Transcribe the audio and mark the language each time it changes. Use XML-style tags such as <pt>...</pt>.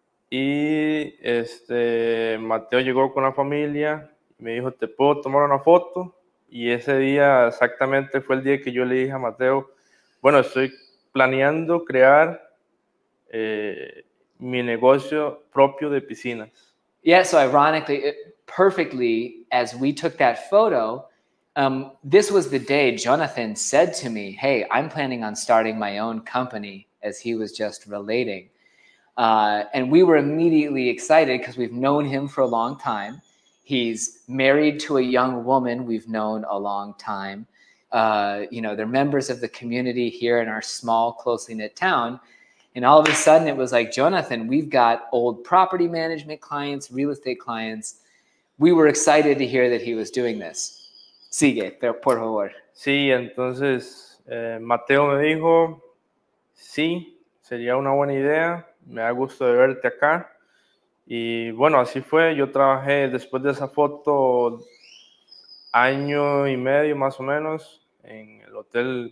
<es>Y Mateo llegó con la familia, me dijo, ¿te puedo tomar una foto? Y ese día exactamente fue el día que yo le dije a Mateo, bueno, estoy planeando crear mi negocio propio de piscinas.</es> <en>Yeah, so ironically, perfectly, as we took that photo, this was the day Jonathan said to me, hey, I'm planning on starting my own company, as he was just relating. And we were immediately excited because we've known him for a long time. He's married to a young woman we've known a long time. You know, they're members of the community here in our small, closely knit town. And all of a sudden it was like, Jonathan, we've got old property management clients, real estate clients. We were excited to hear that he was doing this.</en> <es>Sigue, pero por favor. Sí, entonces Mateo me dijo, sí, sería una buena idea. Me da gusto de verte acá. Y bueno, así fue. Yo trabajé después de esa foto año y medio más o menos en el hotel.</es>